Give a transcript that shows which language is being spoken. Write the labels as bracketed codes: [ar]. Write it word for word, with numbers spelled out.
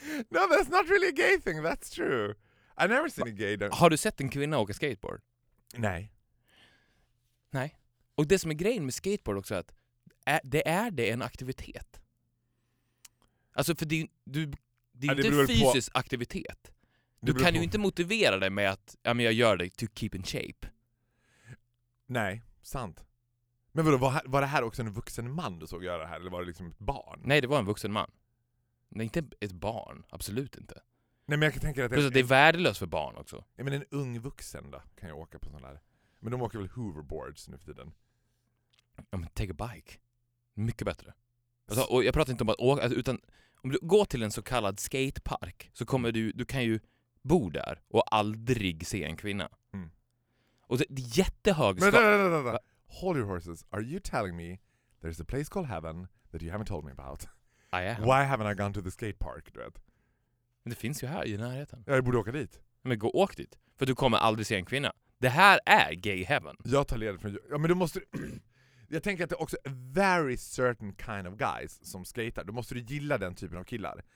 [en] No, that's not really a gay thing, that's true. I never seen a gay don't... [sv] Har du sett en kvinna åka skateboard? Nej. Nej. Och det som är grejen med skateboard också är att är, det är det en aktivitet. Alltså för det, du, det är ju ja, inte en fysisk på... aktivitet. Du kan på... ju inte motivera dig med att ja, men jag gör det [en] to keep in shape. [sv] Nej, sant. Men vadå, var, var det här också en vuxen man du såg göra det här? Eller var det liksom ett barn? Nej, det var en vuxen man. Nej, inte ett barn. Absolut inte. Nej, men jag kan tänka att... Plus att det är värdelöst för barn också. Ja, men en ung vuxen då kan jag åka på sån där. Men de åker väl hoverboards nu för tiden? Ja, men [en] take a bike. [sv] Mycket bättre. Alltså, och jag pratar inte om att åka, utan om du går till en så kallad skatepark så kommer du, du kan ju bo där och aldrig se en kvinna. Mm. Och det är jättehög skala. Men, nej, nej, nej, nej. [en] Hold your horses. Are you telling me there's a place called heaven that you haven't told me about? I am. Why haven't I gone to the skatepark, [sv] du vet? Men det finns ju här i närheten. Jag borde åka dit. Men gå åk dit. För du kommer aldrig se en kvinna. Det här är gay heaven. Jag tar ledigt från... Ja, men du måste... Jag tänker att det är också [en] a very certain kind of guys [sv] som skater. Då måste du gilla den typen av killar.